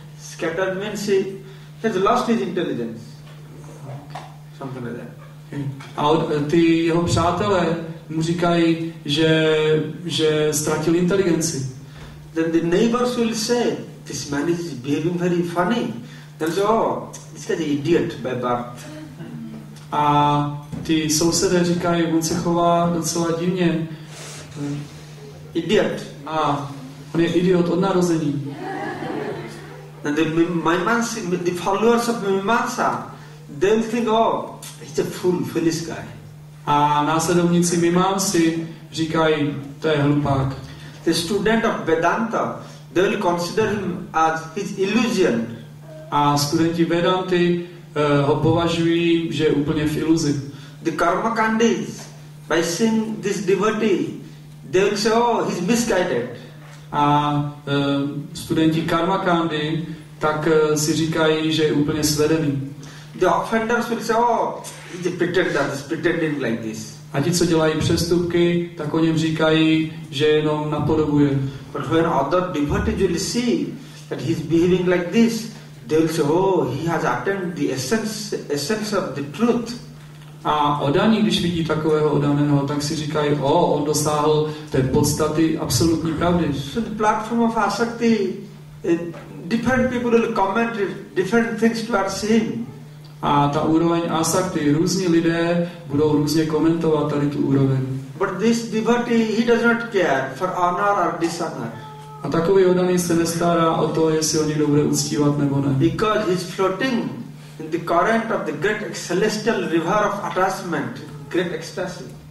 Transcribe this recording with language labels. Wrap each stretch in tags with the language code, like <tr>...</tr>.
<en>Scatterbrained means he has lost his intelligence. Something like that.</en> <cs>A ty jeho přátelé mu říkají, že ztratil inteligenci.</cs> <en>Then the neighbors will say, this man is behaving very funny. They'll say, oh, this guy's an idiot by birth.</en> <cs>A ty sousedé říkají, on se chová docela divně.</cs> <en>Idiot.</en> <cs>A on je idiot od narození.</cs> <en>And the followers of Mimamsa, they'll think, oh, he's a fool, foolish guy.</en> <cs>A následovníci Mimamsy říkají, to je hlupák.</cs> <en>The student of Vedanta, they will consider him as his illusion.</en> <cs>A studenti Vedanty ho považují, že je úplně v iluzi.</cs> <en>The karmakandis, by seeing this devotee, they will say, oh, he's misguided.</en> <cs>A studenti karmakandy tak si říkají, že je úplně svedený.</cs> <en>The offenders will say, oh, he's a pretender, he's pretending like this.</en> <cs>A ti, co dělají přestupky, tak o něm říkají, že jenom napodobuje.</cs> <en>But when other devotees will see that he's behaving like this, they will say, oh, he has attained the essence of the truth.</en> <cs>A Odaní, když vidí takového Odaného, tak si říkají, oh, on dosáhl té podstaty absolutní pravdy.</cs> <en>So the platform of Asakti, different people will comment different things towards him.</en> <cs>A ta úroveň Asakti, různí lidé budou různě komentovat tady tu úroveň.</cs> <en>But this devotee, he does not care for honor or dishonor.</en> <cs>A takový Odaný se nestará o to, jestli ho někdo bude uctívat nebo ne.</cs> <en>Because he's floating in the current of the great celestial river of attachment, great ecstasy.</en>